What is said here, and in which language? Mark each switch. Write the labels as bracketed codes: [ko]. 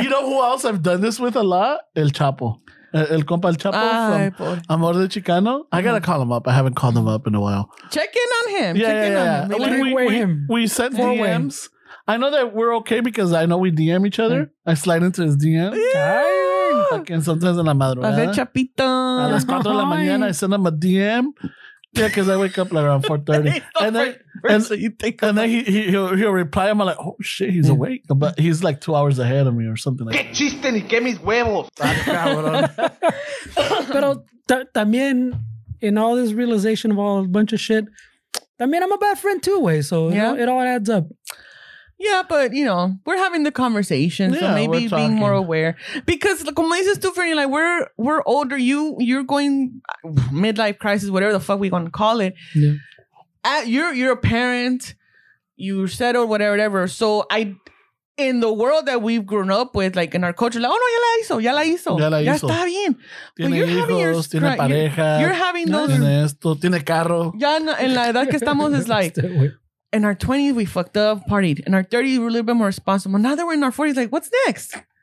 [en] You know who else I've done this with a lot? El Chapo. El compa El Chapo. Ay, from Amor de Chicano. Mm-hmm. I got to call him up. I haven't called him up in a while. Check in on him. Check in on him. We sent DMs. Way. I know that we're okay because I know we DM each other. Mm-hmm. I slide into his DMs. Yeah. Fucking sometimes in [es] la madrugada. A ver, Chapito. A las 4 de la mañana, [en] I send him a DM. Yeah, because I wake up like around 4:30. And then he'll reply. I'm like, oh shit, he's awake. But he's like 2 hours ahead of me or something like [es] that. ¿Qué chiste ni qué mis huevos? Pero también, [en] in all this realization of all a bunch of shit, I mean, I'm a bad friend too, way. So yeah. It all adds up. Yeah, but you know, we're having the conversation, so yeah, maybe being more aware. Because like, [es] como dices tú, [en] Fernie, like we're older. You're going midlife crisis, whatever the fuck we gonna call it. Yeah. You're a parent, you're settled, whatever. So in the world that we've grown up with, like in our culture, like, oh no, [es] ya la hizo, ya está bien. Tiene hijos, tiene pareja. [en] You're having those. [es] Tiene esto, tiene carro. Ya en la edad que estamos es like. [en] In our 20s, we fucked up, partied. In our 30s, we're a little bit more responsible. Now that we're in our 40s, like, what's next?